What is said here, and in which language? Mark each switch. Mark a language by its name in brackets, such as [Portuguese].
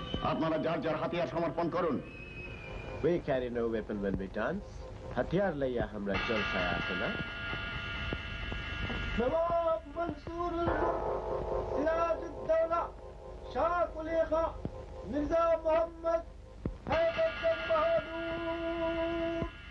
[Bangla] আপনারা যার যার হাতিয়ার সমর্পণ করুন। [English] We carry no weapon when we dance. [Bangla] হাতিয়ার লইয়া আমরা জলসায় আসে না। নবাব মনসুর সিরাজউদ্দৌলা শাহ কুলি খান মির্জা মোহাম্মদ হায়দার বাহাদুর।